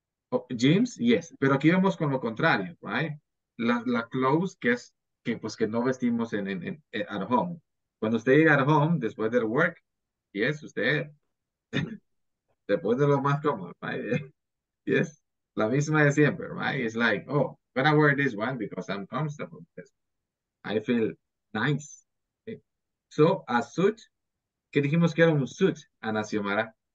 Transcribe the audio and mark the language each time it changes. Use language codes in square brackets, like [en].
[es] Oh, jeans, yes. Pero aquí vamos con lo contrario, right? La clothes que es, que pues que no vestimos en at home. Cuando usted llega at home, después del work, yes, usted, después de lo más cómodo, right? Yes? La misma de siempre, right? [en] It's like, oh, I'm gonna wear this one because I'm comfortable. Because I feel nice. So, a suit, [es] ¿qué dijimos que era un suit, Ana Xiomara?